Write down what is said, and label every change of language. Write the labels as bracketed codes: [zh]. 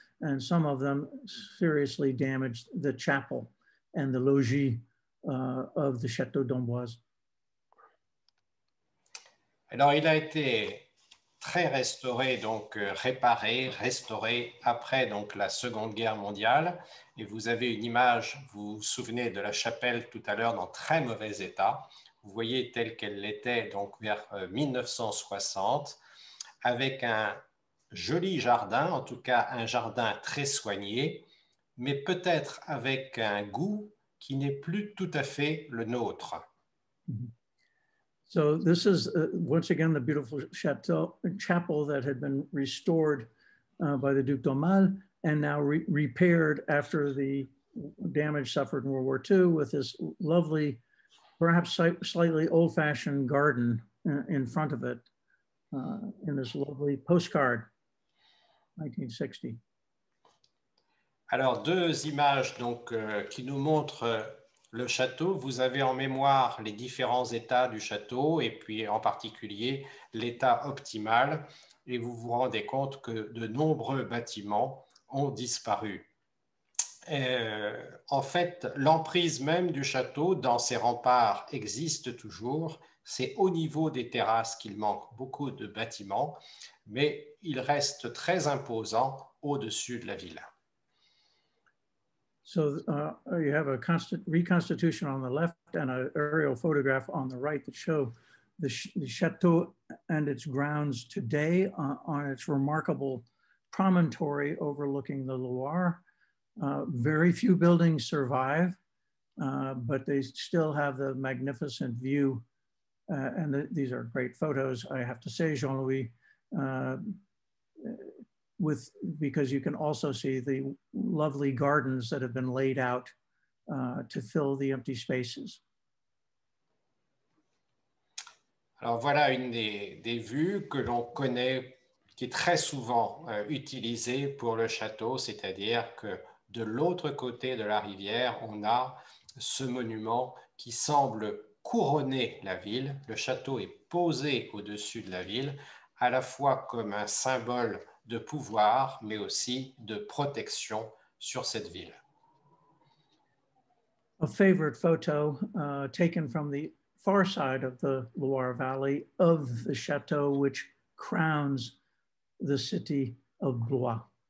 [en] And some of them seriously damaged the chapel and the logis of the Château d'Amboise. [fr] Alors, il a été très restauré, donc restauré après donc la Seconde Guerre mondiale. Et vous avez une image, vous vous souvenez de la chapelle tout à l'heure, dans très mauvais état. Vous voyez telle qu'elle l'était donc vers 1960, avec un joli jardin, en tout cas un jardin très soigné, mais peut-être avec un goût qui n'est plus tout à fait le nôtre. So this is once again the beautiful chapel that had been restored by the Duc d'Aumale and now repaired after the damage suffered in World War II, with this lovely, perhaps slightly old-fashioned garden in front of it, in this lovely postcard, 1960. Alors, deux images donc qui nous montrent le château. Vous avez en mémoire les différents états du château et puis en particulier l'état optimal, et vous vous rendez compte que de nombreux bâtiments ont disparu. En fait, l'emprise même du château dans ses remparts existe toujours. C'est au niveau des terrasses qu'il manque beaucoup de bâtiments, mais il reste très imposant au-dessus de la ville. [en] So you have a constant reconstitution on the left and an aerial photograph on the right that show the château and its grounds today on its remarkable promontory overlooking the Loire. Very few buildings survive, but they still have the magnificent view. And these are great photos, I have to say, Jean-Louis, because you can also see the lovely gardens that have been laid out to fill the empty spaces. [fr] Alors voilà une des vues que l'on connaît, qui est très souvent utilisée pour le château, c'est-à-dire que de l'autre côté de la rivière, on a ce monument qui semble couronner la ville. Le château est posé au-dessus de la ville, à la fois comme un symbole de pouvoir, mais aussi de protection sur cette ville. [en] A favorite photo taken from the far side of the Loire Valley of the château which crowns the city of Blois.